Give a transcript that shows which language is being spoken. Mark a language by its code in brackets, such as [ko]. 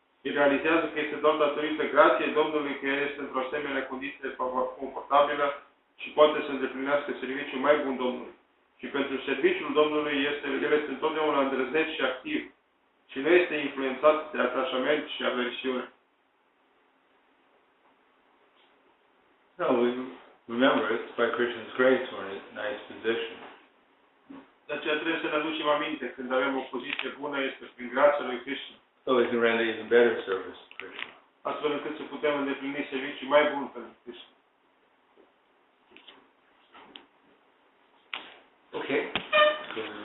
[ro] Și realizează că este doar datorită grației Domnului că este într-o asemenea condiție confortabilă și poate să îndeplinească serviciul mai bun Domnului. Și pentru serviciul Domnului el este întotdeauna îndrăzneț și activ și nu este influențat de atașament și aversiune. [en] No, we remember, it's by Krishna's grace we're in a nice position. [ro] Dar ceea trebuie să ne aducem aminte, când avem o poziție bună este prin grația lui Krishna. [en] So we can render even better service to Krishna. [ro] Astfel încât să putem îndeplini servicii mai bun pentru Krishna.